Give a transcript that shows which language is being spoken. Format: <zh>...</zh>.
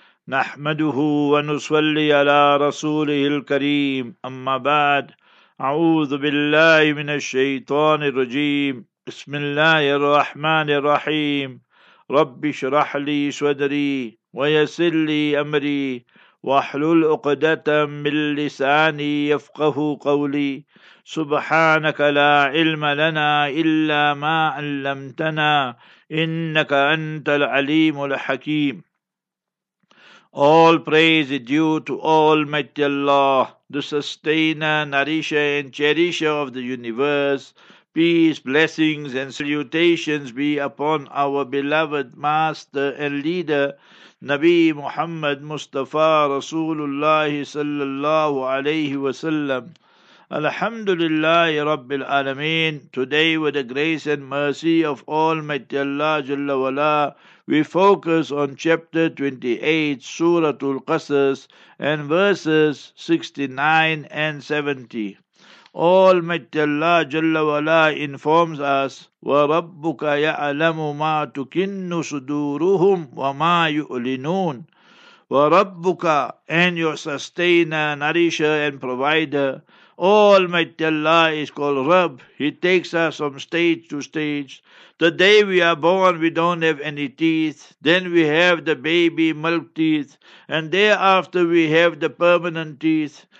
<ar>نحمده ونصلي على رسوله الكريم أما بعد أعوذ بالله من الشيطان الرجيم بسم الله الرحمن الرحيم رب اشرح لي صدري ويسر لي أمري واحلل عقدة من لساني يفقه قولي سبحانك لا علم لنا إلا ما علمتنا إنك أنت العليم الحكيم.</ar> <en>All praise is due to Almighty Allah, the sustainer, nourisher, and cherisher of the universe. Peace, blessings, and salutations be upon our beloved master and leader, Nabi Muhammad Mustafa Rasulullah sallallahu alayhi wa sallam.</en> <ar>Alhamdulillahi Rabbil Alameen.</ar> <en>Today, with the grace and mercy of Almighty Allah Jalla Wala, we focus on chapter 28, Suratul Qasas, and verses 69 and 70. Almighty Allah Jalla Wala informs us,</en> <ar>وَرَبُّكَ يَعْلَمُ مَا تُكِنُّ صُدُورُهُمْ وَمَا يُؤْلِنُونَ. وَرَبُّكَ,</ar> <en>and your sustainer, nourisher, and provider, Almighty Allah is called Rabb. He takes us from stage to stage. The day we are born, we don't have any teeth. Then we have the baby milk teeth. And thereafter, we have the permanent teeth.</en>